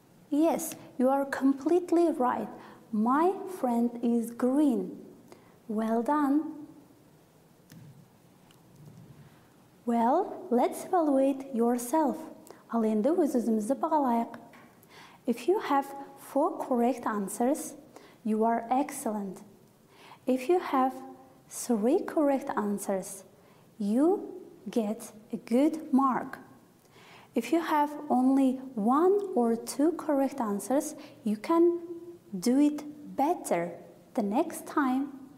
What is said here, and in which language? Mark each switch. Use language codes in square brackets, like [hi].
[en] Yes, you are completely right. My friend is green. Well done. Well, let's evaluate yourself. [kk] Ал енді өз-өзімізді бағалайық. [en] If you have 4 correct answers, you are excellent. If you have 3 correct answers, you get a good mark. If you have only 1 or 2 correct answers, you can do it better the next time.